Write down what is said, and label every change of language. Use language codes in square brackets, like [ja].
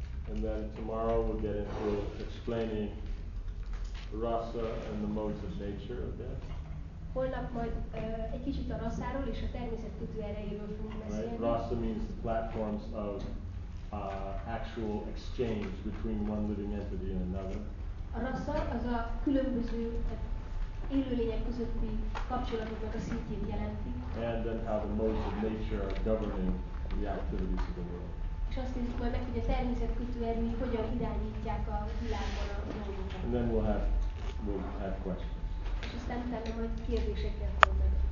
[en] And then tomorrow we'll get into explaining rasa and the modes of nature a bit. [hu] Holnap majd egy kicsit a rasszáról és a természettudó erejéről fogunk beszélni. [en] Right. Rasa means the platforms of actual exchange between one living entity and another. [hu] A rasa az a különböző élőlények közötti kapcsolatoknak a szintjét jelenti. [en] And then how the modes of nature are governing the activities of the world. [hu] És azt nézzük majd meg, hogy a természettudó erők hogyan irányítják a világban a dolgokat. [en] And then we'll have questions. [hu] És aztán utána majd kérdésekkel fogunk.